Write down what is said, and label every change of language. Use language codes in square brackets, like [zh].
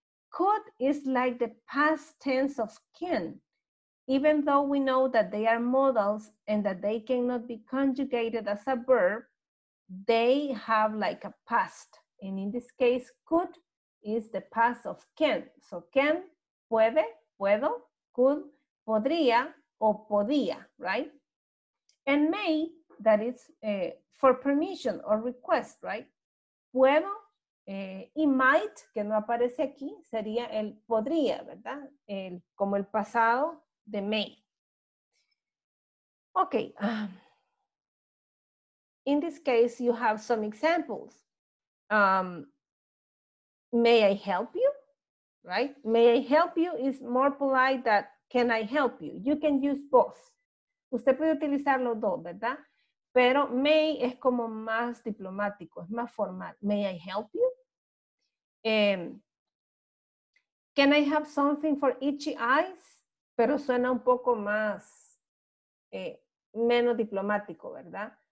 [en] Could is like the past tense of can, even though we know that they are modals and that they cannot be conjugated as a verb, they have like a past. And in this case, could is the past of can. [es] So can, puede, puedo, could, podría, o podía, right? [en] And may, that is for permission or request, right? [es] Puedo, y might, que no aparece aquí, sería el podría, ¿verdad? El, como el pasado de may. Okay. [en] In this case, you have some examples. May I help you? Right? May I help you is more polite than can I help you? You can use both. [es] Usted puede utilizar los dos, ¿verdad? Pero may es como más diplomático, es más formal. [en] May I help you? Can I have something for itchy eyes? [es] Pero suena un poco más, menos diplomático, ¿verdad?